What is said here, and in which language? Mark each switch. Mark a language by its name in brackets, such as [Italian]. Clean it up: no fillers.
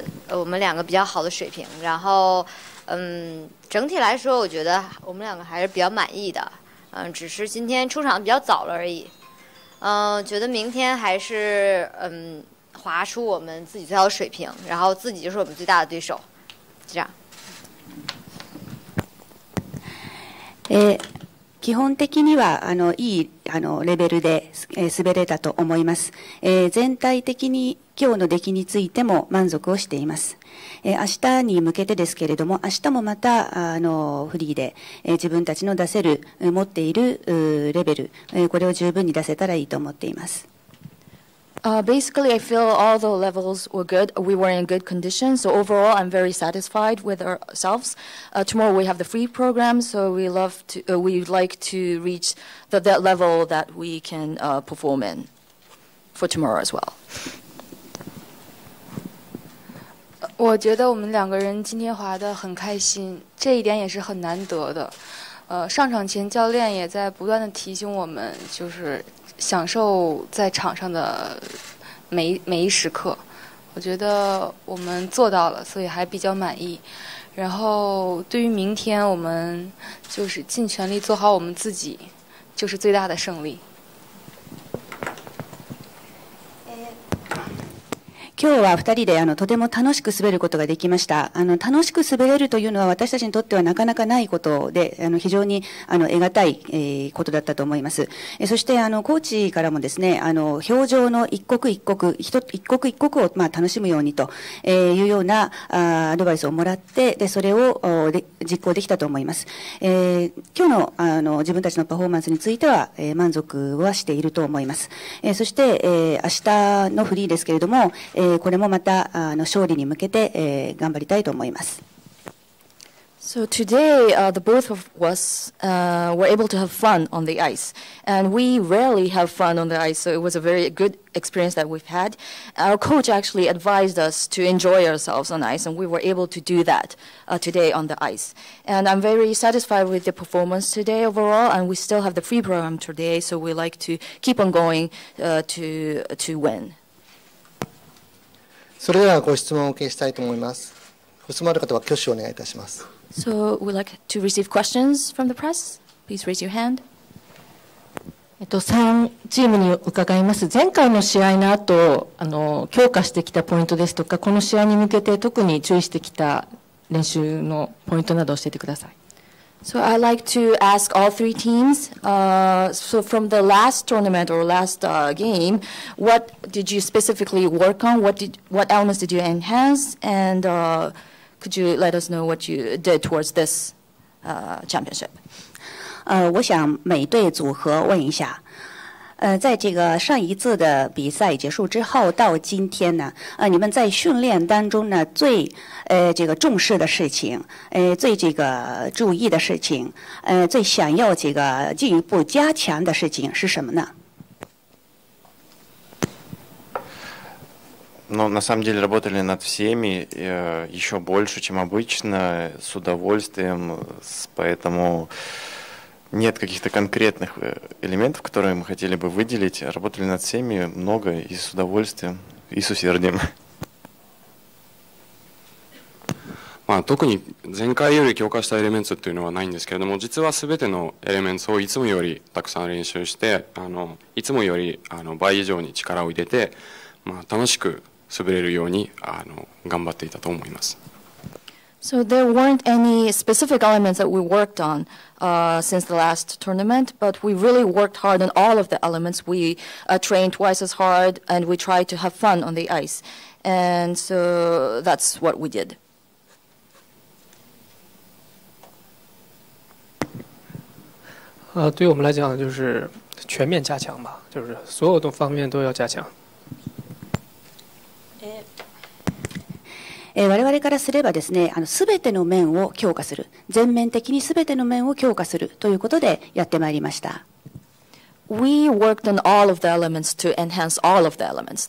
[Chinese] 我们两个比较好的水平，然后，整体来说，我觉得我们两个还是比较满意的，只是今天出场比较早了而已，觉得明天还是滑出我们自己最好的水平，然后自己就是我们最大的对手，这样。 [Japanese] 基本的にはいいレベルで滑れたと思います。全体的に今日の出来についても満足をしています。明日に向けてですけれども、明日もまたフリーで自分たちの出せる、持っているレベル、これを十分に出せたらいいと思っています。 [English] Basically, I feel all the levels were good. We were in good condition. So overall, I'm very satisfied with ourselves. Tomorrow we have the free program. So we'd like to reach that level that we can perform in for tomorrow as well. [Chinese] 我觉得我们两个人今天滑得很开心，这一点也是很难得的。上场前教练也在不断地提醒我们，就是享受在场上的每一时刻，我觉得我们做到了，所以还比较满意。然后对于明天，我们就是尽全力做好我们自己，就是最大的胜利。 [Japanese] 今日は二人でとても楽しく滑ることができました。楽しく滑れるというのは私たちにとってはなかなかないことで、非常に得難いことだったと思います。そして、コーチからもですね、氷上の一刻一刻、一刻一刻を楽しむようにというようなアドバイスをもらって、で、それを実行できたと思います。今日の自分たちのパフォーマンスについては満足はしていると思います。そして、明日のフリーですけれども、これもまた勝利に向けて頑張りたいと思います。 [English] So today, the both of us were able to have fun on the ice. And we rarely have fun on the ice, so it was a very good experience that we've had. Our coach actually advised us to enjoy ourselves on ice, and we were able to do that today on the ice. And I'm very satisfied with the performance today overall, and we still have the free program today, so we like to keep on going to win. [Japanese] それではご質問を受けしたいと思います。ご質問ある方は挙手をお願いいたします。 [English] So we'd like to receive questions from the press. Please raise your hand. [Japanese] 3チームに伺います。前回の試合の後、強化してきたポイントですとか、この試合に向けて特に注意してきた練習のポイントなどを教えてください。 [English] So I'd like to ask all three teams, so from the last tournament or last game, what did you specifically work on? What elements did you enhance? And could you let us know what you did towards this championship? [Chinese] 我想每队组合问一下。在这个上一次的比赛结束之后到今天呢你们在训练当中呢最这个重视的事情最这个注意的事情最想要这个进一步加强的事情是什么呢 [Russian] Но на самом деле работали над всеми еще больше, чем обычно, с удовольствием, поэтому Нет каких-то конкретных элементов, которые мы хотели бы выделить. Работали над всеми много и с удовольствием, и с усердием. [Japanese] 特に前回より強化したエレメンツというのはないんですけれども、実は全てのエレメンツをいつもよりたくさん練習して、いつもより倍以上に力を入れて、楽しく滑れるように頑張っていたと思います。 [English] So there weren't any specific elements that we worked on since the last tournament, but we really worked hard on all of the elements. We trained twice as hard, and we tried to have fun on the ice. And so that's what we did. For us, it's just comprehensive. It's all the aspects we need to improve. [Japanese] 我々からすればですね、全ての面を強化する、全面的に全ての面を強化するということでやってまいりました。 [English] We worked on all of the elements to enhance all of the elements.